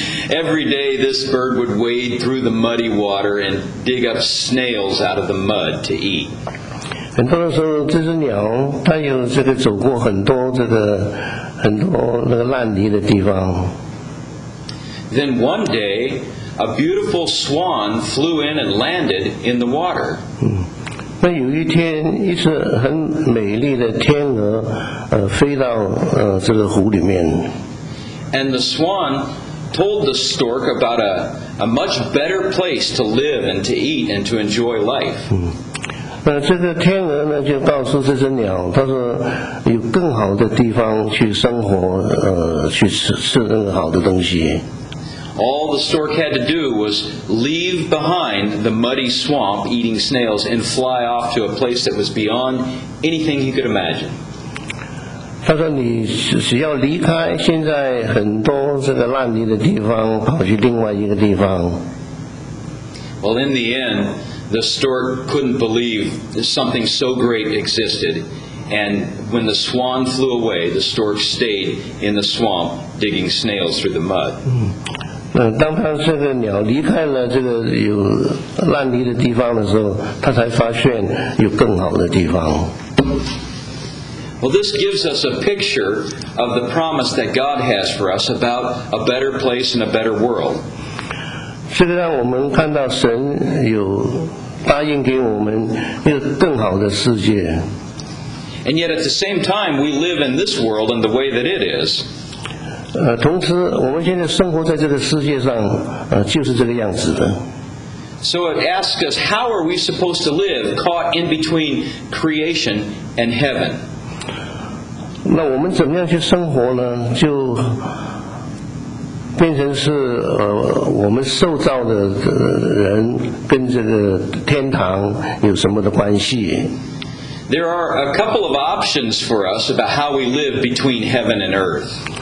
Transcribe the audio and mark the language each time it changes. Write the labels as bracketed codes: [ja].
[en] Every day, this bird would wade through the muddy water and dig up snails out of the mud to eat. [zh] 很多的时候，这只鸟它有这个走过很多这个很多那个烂泥的地方。 [en] Then one day, a beautiful swan flew in and landed in the water. [zh] 那有一天，一只很美丽的天鹅，飞到这个湖里面。 [en] And the swan told the stork about a much better place to live and to eat and to enjoy life. [zh] 嗯，这个天鹅呢就告诉这只鸟，它说有更好的地方去生活，去吃更好的东西。 [en] All the stork had to do was leave behind the muddy swamp eating snails and fly off to a place that was beyond anything he could imagine. [zh] 他说你只要离开现在很多这个烂泥的地方跑去另外一个地方。 [en] Well, in the end, the stork couldn't believe that something so great existed. And when the swan flew away, the stork stayed in the swamp digging snails through the mud. [zh] 当他这个鸟离开了这个有烂泥的地方的时候，他才发现有更好的地方。 [en] Well, this gives us a picture of the promise that God has for us about a better place and a better world. [zh] 这个让我们看到神有答应给我们一个更好的世界。 [en] And yet at the same time, we live in this world and the way that it is. [zh] 同时我们现在生活在这个世界上就是这个样子的。 [en] So it asks us, how are we supposed to live caught in between creation and heaven? [zh] 那我们怎么样去生活呢？就变成是我们受造的人跟这个天堂有什么的关系？ [en] There are a couple of options for us about how we live between heaven and earth.